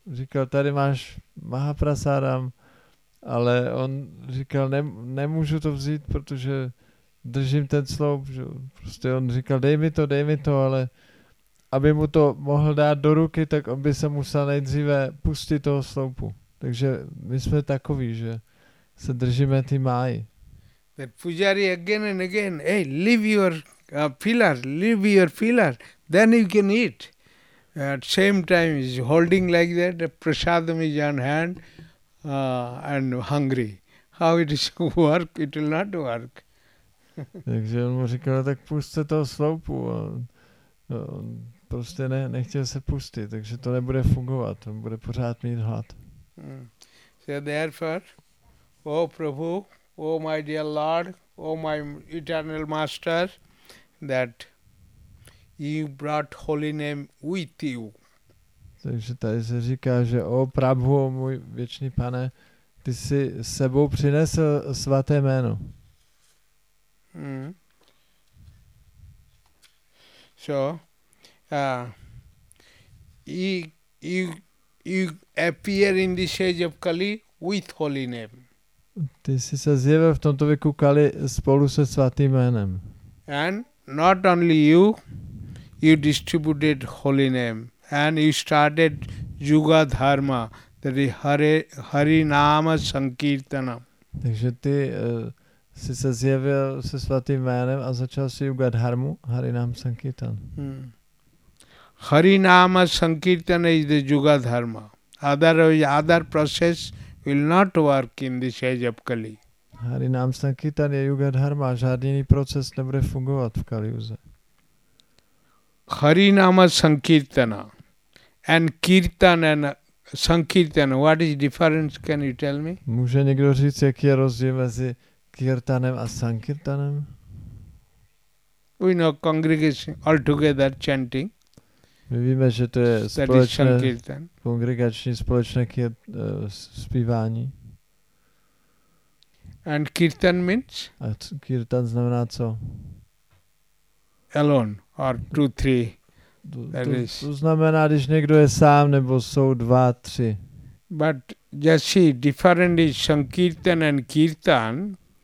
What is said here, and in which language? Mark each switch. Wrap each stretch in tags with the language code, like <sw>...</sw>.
<cs>Říkal, tady máš Mahaprasádam, ale on říkal, nemůžu to vzít, protože držím ten sloup. Prostě on říkal, dej mi to, ale aby mu to mohl dát do ruky, tak on by se musel nejdříve pustit toho sloupu. Takže my jsme takoví, že se držíme ty Máji.</cs> <en>The pujari again and again, hey, leave your a pillar, leave your pillar, then you can eat. At same time, he's holding like that, the prasadam is on hand and hungry. How it is work? It will not work.</en> <cs>Takže on mu říkal, tak pustte toho sloupu. On prostě nechtěl se pustit, takže to nebude fungovat. On bude pořád mít hlad.</cs> <en>So therefore, O Prabhu, O my dear Lord, O my eternal Master, that you brought holy name with you.</en> <cs>Takže tady se říká, že O Prabhu, můj věčný pane, ty jsi sebou přinesl svaté jméno.</cs> <en>So, you appear in this age of Kali with holy name.</en> <cs>Ty jsi se zjevil v tomto věku Kali spolu se svatým jménem.</cs> <en>And not only you, you distributed holy name and you started Yuga Dharma, that is Hari Nama Sankirtana.</en> <cs>Takže ty jsi se zjevil se svatým jménem a začal si Yuga Dharmu, Hari Nama Sankirtan.</cs> <en>Hari Nama Sankirtan is the Yuga Dharma. Other process will not work in this age of Kali.</en> <cs>Hari Nama Sankirtan je Yuga Dharma, žádný jiný proces nebude fungovat v Kaliuze.</cs> <en>Hari Nama Sankirtana and Kirtan and Sankirtan, what is difference, can you tell me?</en> <cs>Může někdo říct, jaký je rozdíl mezi Kirtanem a Sankirtanem?</cs> <en>We know congregation altogether chanting.</en> <cs>My víme, že to je společné kongregační společné zpívání.</cs> <en>And Kirtan means?</en> <cs>A Kirtan znamená co?</cs> <en>Alone or two, three.</en> <cs>To znamená, když někdo je sám, nebo jsou dva, tři.</cs> <en>But just see, different is Sankirtan and Kirtan.</en>